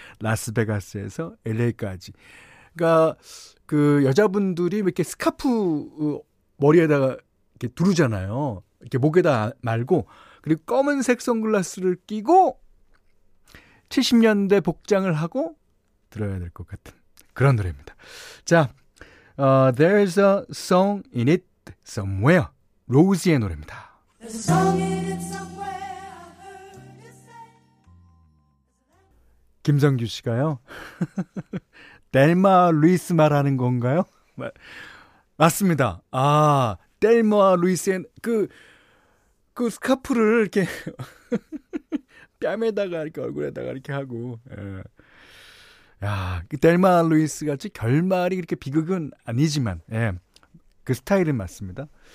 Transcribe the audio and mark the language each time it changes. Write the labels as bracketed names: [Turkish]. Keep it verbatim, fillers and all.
[Korean] 라스베가스에서 엘에이까지, 그러니까 그 여자분들이 이렇게 스카프 머리에다가 이렇게 두르잖아요. 이렇게 목에다 말고, 그리고 검은색 선글라스를 끼고 칠십년대 복장을 하고 들어야 될 것 같은 그런 노래입니다. [English] 자, uh, There's a song in it somewhere. [Korean] 로지의 노래입니다. [English] There's a song in it somewhere. I heard you say. [Korean] 김성규 씨가요. 델마 루이스 말하는 건가요? 맞습니다. 아, 델마 루이스의 그, 그 스카프를 이렇게 뺨에다가 이렇게 얼굴에다가 이렇게 하고. 예. 야, 그 델마 루이스 같이 결말이 그렇게 비극은 아니지만, 예, 그 스타일은 맞습니다.